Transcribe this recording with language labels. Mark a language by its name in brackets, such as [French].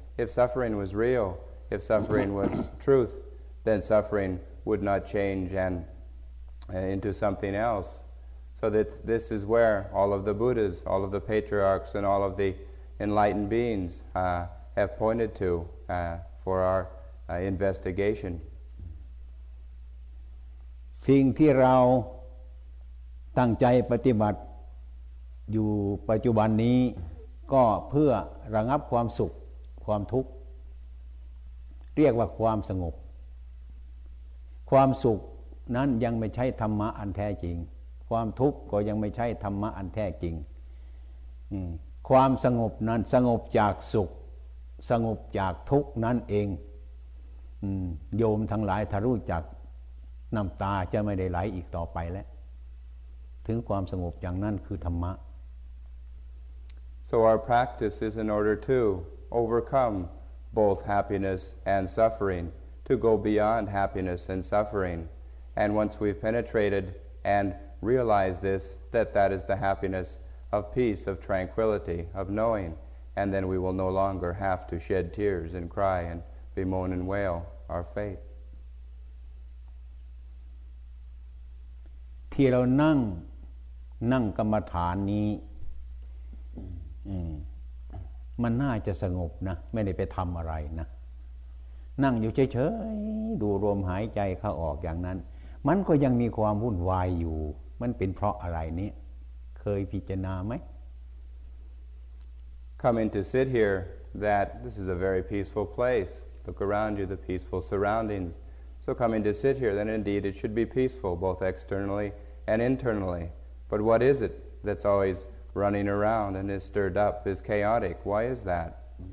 [English] If suffering was real, if suffering was truth, then suffering would not change and into something else. So that this is where all of the Buddhas, all of the patriarchs, and all of the enlightened beings have pointed to for our investigation. [Thai] สิ่งที่เราตั้งใจปฏิบัติอยู่ปัจจุบันนี้ก็เพื่อระงับความสุขความทุกข์เรียกว่าความสงบ ความสุขนั้นยังไม่ใช่ธรรมะอันแท้จริงความทุกข์ก็ยังไม่ใช่ธรรมะอันแท้จริงความสงบนั้นสงบจากสุขสงบจากทุกข์นั่นเองโยมทั้งหลายถ้ารู้จักน้ำตาจะไม่ได้ไหลอีกต่อไปแล้วถึงความสงบอย่างนั้นคือธรรมะ [English] So our practice is in order to overcome both happiness and suffering, to go beyond happiness and suffering. And once we've penetrated and realized this, that that is the happiness of peace, of tranquility, of knowing. And then we will no longer have to shed tears and cry and bemoan and wail our fate. [Thai] ที่เรานั่งนั่งกรรมฐานนี้มันน่าจะสงบนะไม่ได้ไปทำอะไรนะนั่งอยู่เฉยๆดูรวมหายใจเข้าออกอย่างนั้นมันก็ยังมีความวุ่นวายอยู่มันเป็นเพราะอะไรนี้เคยพิจารณาไหม [English] Come in to sit here that this is a very peaceful place look around you the peaceful surroundings so come in to sit here then indeed it should be peaceful both externally and internally but what is it that's alwaysrunning around and is stirred up is chaotic why is that